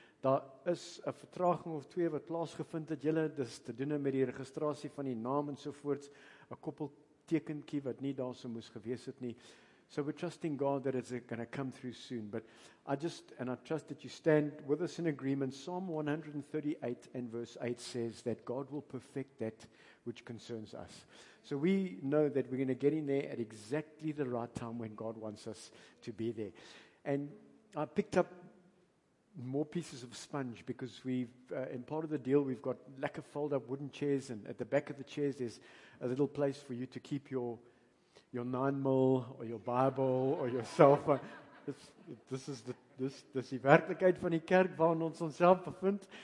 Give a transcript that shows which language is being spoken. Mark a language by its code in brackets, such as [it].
[af] Daar is 'n vertraging of twee wat plaasgevind het. Julle, dis te doen met die registrasie van die naam en sovoorts. 'N Koppel tekentjie wat nie daar sou moes gewees het nie. [en] So we're trusting God that it's going to come through soon. But I trust that you stand with us in agreement. Psalm 138 and verse 8 says that God will perfect that which concerns us. So we know that we're going to get in there at exactly the right time when God wants us to be there. And I picked up more pieces of sponge because in part of the deal, we've got like a fold-up wooden chairs, and at the back of the chairs, there's a little place for you to keep your 9mm or your Bible or your cell phone. This is [af] die werklikheid van die kerk waarin ons onsself bevind.